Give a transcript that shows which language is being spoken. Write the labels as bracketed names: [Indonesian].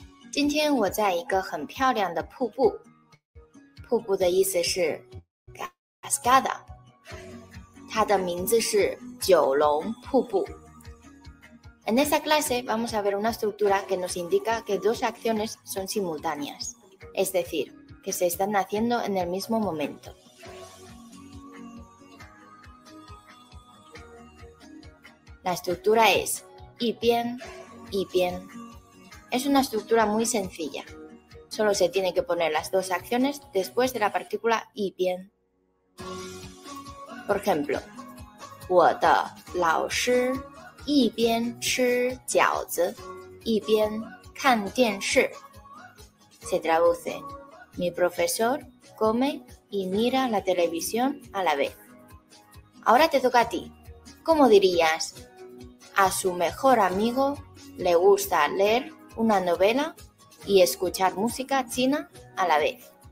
[Chinese] 今天我在一个很漂亮的瀑布。瀑布的意思是 cascada， 它的名字是九龙瀑布。 [Spanish] En esta clase vamos a ver una estructura que nos indica que dos acciones son simultáneas, es decir, que se están haciendo en el mismo momento. La estructura es 一边一边。 Es una estructura muy sencilla. Solo se tiene que poner las dos acciones después de la partícula y bien. Por ejemplo, [Chinese] 我的老师一边吃饺子一边看电视. [Spanish] Se traduce, mi profesor come y mira la televisión a la vez. Ahora te toca a ti. ¿Cómo dirías? A su mejor amigo le gusta leerUna novela y escuchar música china a la vez.